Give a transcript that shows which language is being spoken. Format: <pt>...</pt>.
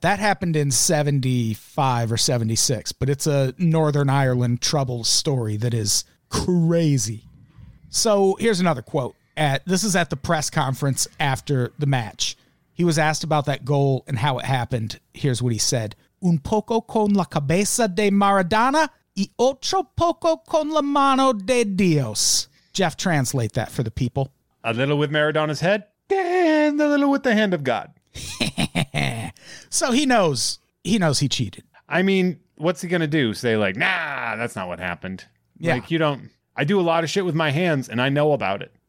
<en>That happened in 75 or 76, but it's a Northern Ireland trouble story that is crazy. So here's another quote. This is at the press conference after the match. He was asked about that goal and how it happened. Here's what he said.</en> <es>Un poco con la cabeza de Maradona y otro poco con la mano de Dios.</es> <en>Jeff, translate that for the people. A little with Maradona's head and a little with the hand of God. So he knows he cheated. I mean, what's he going to do? Say like, nah, that's not what happened. Yeah. Like, you don't. I do a lot of shit with my hands and I know about it.</en>